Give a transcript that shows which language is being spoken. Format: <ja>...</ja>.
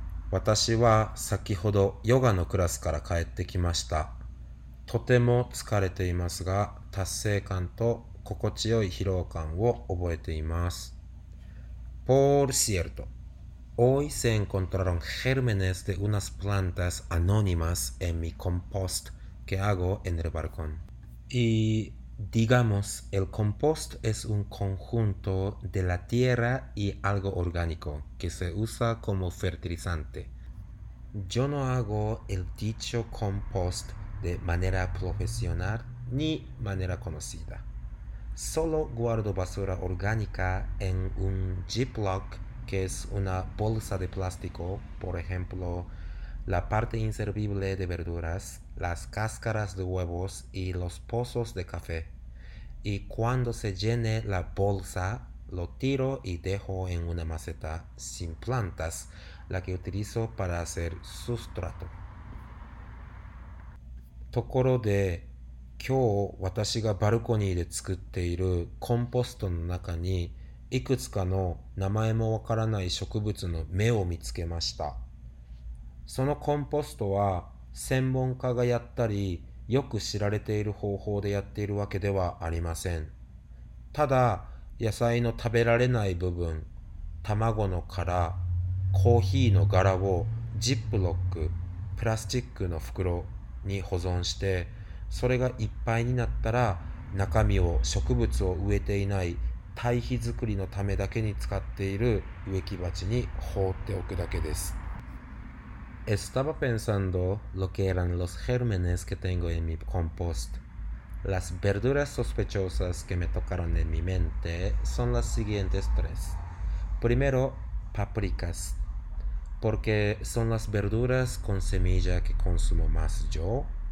<ja>私は先ほどヨガのクラスから帰ってきました。とても疲れていますが、達成感と心地よい疲労感を覚えています。</ja> <es>Por cierto, hoy se encontraron gérmenes de unas plantas anónimas en mi compost que hago en el balcón. Y digamos, el compost es un conjunto de la tierra y algo orgánico que se usa como fertilizante. Yo no hago el dicho compost de manera profesional ni manera conocida. Solo guardo basura orgánica en un Ziploc, que es una bolsa de plástico, por ejemplo, la parte inservible de verduras, las cáscaras de huevos y los pozos de café. Y cuando se llene la bolsa, lo tiro y dejo en una maceta sin plantas, la que utilizo para hacer sustrato.</es> <ja>ところで、今日私がバルコニーで作っているコンポストの中に、いくつかの名前もわからない植物の芽を見つけました。そのコンポストは専門家がやったり、よく知られている方法でやっているわけではありません。ただ、野菜の食べられない部分、卵の殻、コーヒーの柄をジップロック、プラスチックの袋に保存して、それがいっぱいになったら、中身を植物を植えていない堆肥作りのためだけに使っている植木鉢に放っておくだけです。</ja> <es>Estaba pensando lo que eran los gérmenes que tengo en mi compost. Las verduras sospechosas que me tocaron en mi mente son las siguientes tres. Primero, paprikas, porque son las verduras con semilla que consumo más yo.</es>